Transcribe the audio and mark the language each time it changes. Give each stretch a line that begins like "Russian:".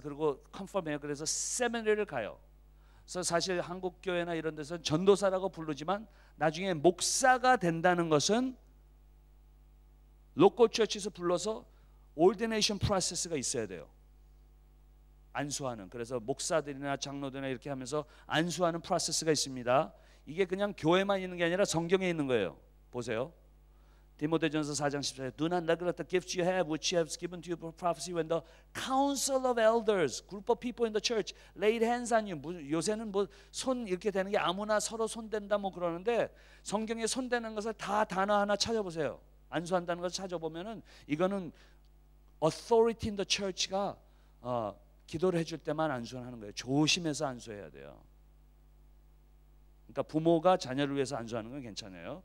Korean: 그리고 confirm해요. 그래서 seminary를 가요. 그래서 사실 한국 교회나 이런 데서는 전도사라고 부르지만 나중에 목사가 된다는 것은
English: local church
Korean: 에서 불러서
English: ordination process
Korean: 가 있어야 돼요. 안수하는. 그래서 목사들이나 장로들이나 이렇게 하면서 안수하는 프로세스가 있습니다. 이게 그냥 교회만 있는 게 아니라 성경에 있는 거예요. 보세요. 디모데전서 4장 14절.
English: Do not neglect the gift you have which has given to you for prophecy when the council of elders, group of people in the church laid hands on you.
Korean: 요새는 뭐 손 이렇게 되는 게 아무나 서로 손댄다 뭐 그러는데 성경에 손대는 것을 다 단어 하나 찾아보세요. 안수한다는 것을 찾아보면은 이거는
English: authority in the church
Korean: 가 기도를 해줄 때만 안수하는 거예요. 조심해서 안수해야 돼요. 그러니까 부모가 자녀를 위해서 안수하는 건 괜찮아요.